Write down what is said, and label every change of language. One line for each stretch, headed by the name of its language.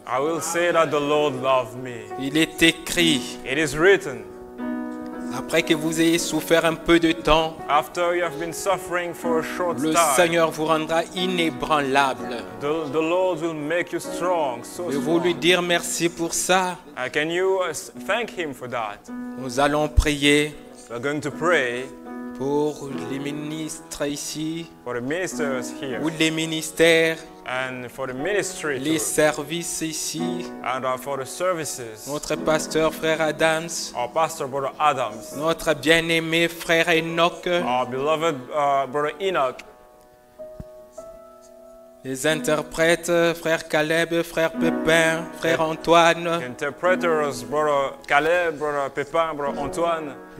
English: I will say that the Lord loved me.
French: Il est écrit,
English: it is written.
French: Après que vous ayez souffert un peu de temps,
English: after you have been suffering for a short
French: le
English: time,
French: Seigneur vous rendra inébranlable.
English: The Lord will make you strong, so strong.
French: Vous lui dire merci pour ça.
English: Can you thank him for that?
French: Nous allons prier.
English: We're going to pray
French: pour les ministres ici,
English: for the ministers here,
French: ou les ministères,
English: and for the ministry,
French: les services ici,
English: and for the services,
French: notre pasteur frère Adams,
English: our pastor brother Adams,
French: notre bien-aimé frère Enoch,
English: our beloved brother Enoch,
French: les interprètes frère Caleb, frère Pépin, frère Antoine,
English: the interpreters brother Caleb, brother Pépin, brother Antoine,